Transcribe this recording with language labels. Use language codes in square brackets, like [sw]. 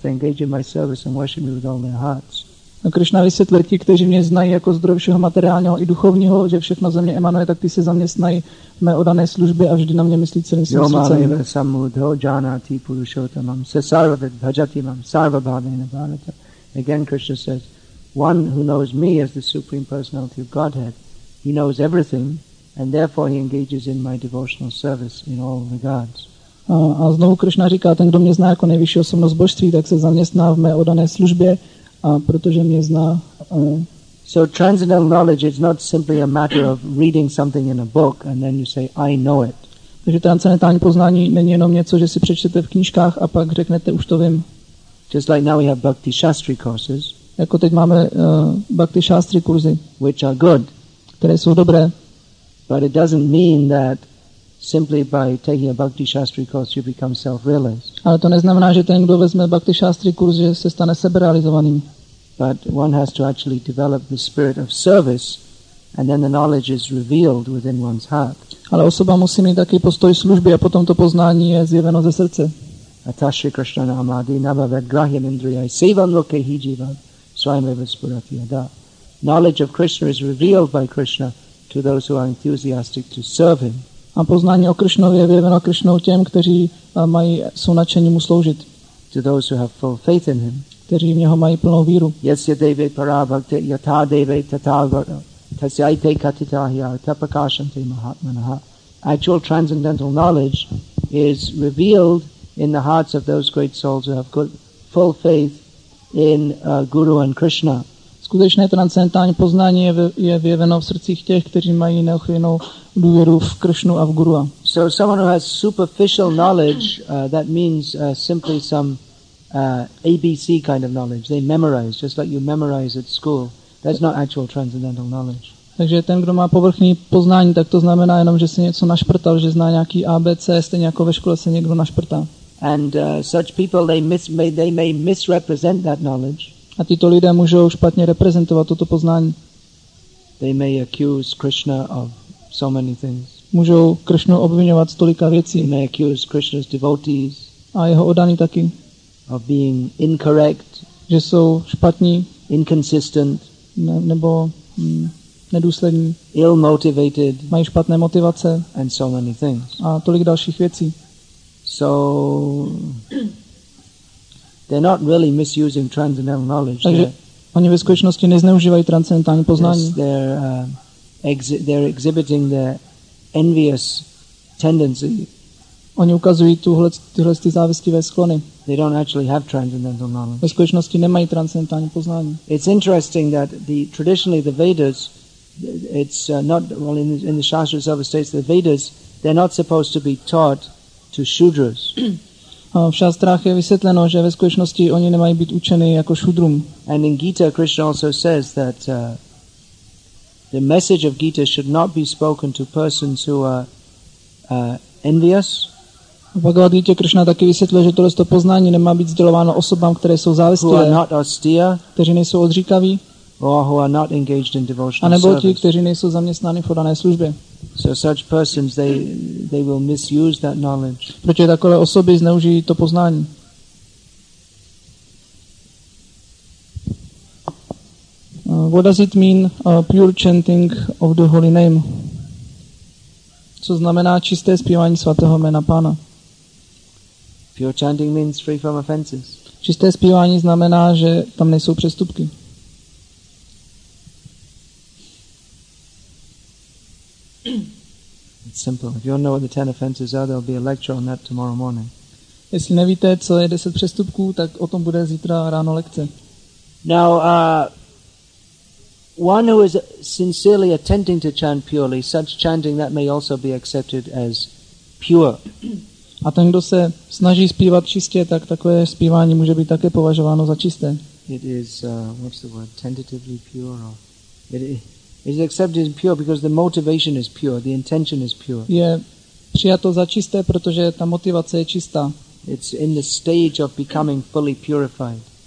[en] They engage in my service and worship me with all their hearts. [cs] A Krišna vysvětlí ti, kteří mě znají jako zdrojšího materiálního i duchovního, že všechno ze mě emanuje, tak ty se za mě snají mé odané služby a vždy na mě myslí celým svým srdcem. [sa] Yomaleva samudho janati purushottamam sasarvad bhajati mam sarvabhavena bharata. [en] Again, Krishna says, one who knows me as the Supreme Personality of Godhead, he knows everything, and therefore he engages in my devotional service in all regards. [cs] A znovu Krišna říká, ten, kdo mě zná jako nejvyšší osobnost božství, tak se zaměstná v mé odané službě, a protože mě zná. [en] So transcendental knowledge is not simply a matter of reading something in a book and then you say I know it. [cs] Takže transcendentální poznání není jenom něco, že si přečtete v knížkách a pak řeknete už to vím. [en] Just like now we have bhakti shastri courses. [cs] Jako teď máme bhakti shastri kurzy, [en] which are good, [cs] které jsou dobré. [en] But it doesn't mean that simply by taking a bhakti shastri course you become self-realized. [cs] Ale to neznamená, že ten, kdo vezme bhakti shastri kurz, že se stane seberealizovaným. [en] But one has to actually develop the spirit of service and then the knowledge is revealed within one's heart. [cs] Ale osoba musí mít taky postoj služby a potom to poznání je zjeveno ze srdce. [sa] Atashri Krishna Namadi Navaved Grahyam Indriyai Sivam Loke Hijivam Swayam Eva Spurati Yada. [en] Knowledge of Krishna is revealed by Krishna to those who are enthusiastic to serve him. [cs] A poznání o Krišnově je vyjeveno Krišnou těm, kteří mají, jsou nadšení mu sloužit. [en] To those who have full faith in him. [cs] Kteří v něho mají plnou víru. [sa] Yasya deve para bhakte yata deve tathagata tasyaite katitahya tapakashante mahatmanaha. [en] Actual transcendental knowledge is revealed in the hearts of those great souls who have full faith in Guru and Krishna. [cs] Skutečné transcendentální poznání je vyjeveno v srdcích těch, kteří mají neochvějnou důvěru v Kršnu a v Gurua. [en] So someone who has superficial knowledge, that means simply some ABC kind of knowledge. They memorize, just like you memorize at school. That's not actual transcendental knowledge. [cs] Takže ten, kdo má povrchní poznání, tak to znamená jenom, že se něco našprtal, že zná nějaký ABC, stejně jako ve škole se někdo našprtá. [en] And such people, they may misrepresent that knowledge. [cs] A tyto lidé můžou špatně reprezentovat toto poznání. [en] They may accuse Krishna of so many things. [cs] Můžou Krishnu obvinovat z tolika věcí. [en] They may accuse Krishna's devotees. [cs] A jeho oddaní taky. [en] Of being incorrect. [cs] Že jsou špatní. [en] Inconsistent. [cs] Nebo nedůslední. [en] Ill-motivated. [cs] Mají špatné motivace. [en] And so many things. [cs] A tolik dalších věcí. [en] So they're not really misusing transcendental knowledge. [cs] Takže oni ve skutečnosti nezneužívají transcendentální poznání. [en] They're exhibiting their envious tendency. [cs] Oni ukazují tyhle ty závistivé sklony. [en] They don't actually have transcendental knowledge. [cs] Ve skutečnosti nemají transcendentální poznání. [en] It's interesting that traditionally the Vedas, it's not well in the Shastra itself states the Vedas, they're not supposed to be taught to Shudras. [cs] V šastrách je vysvětleno, že ve skutečnosti oni nemají být učeni jako šudrům. [en] And in Gita Krishna also says that the message of Gita should not be spoken to persons who are envious. [cs] V Bhagavad Gita Krishna taky vysvětluje, že tohle poznání nemá být sdělováno osobám, které jsou závislé, [en] who are not austere, [cs] kteří nejsou odříkaví, [en] or who are not engaged in devotional service. [cs] A nebo ti, kteří nejsou zaměstnáni v podané službě. [en] So such persons they will misuse that knowledge. [cs] Protože takové osoby zneužijí to poznání. [en] What does it mean pure chanting of the holy name? [cs] Co znamená čisté zpívání svatého jména Pána? [en] Pure chanting means free from offenses. [cs] Čisté zpívání znamená, že tam nejsou přestupky. [en] It's simple. If you don't know what the 10 offenses are, there'll be a lecture on that tomorrow morning. [cs] Jestli nevíte, co je 10 přestupků, tak o tom bude zítra ráno lekce. [en] Now, one who is sincerely attempting to chant purely, such chanting that may also be accepted as pure. [cs] A ten, kdo se snaží zpívat čistě, tak takové zpívání může být také považováno za čisté. [en] It is what's the word? Tentatively pure. Or it is accepted as pure because the motivation is pure, the intention is pure. [cs] Je přijato za čisté, protože ta motivace je čistá. [en] It's in the stage of becoming fully purified.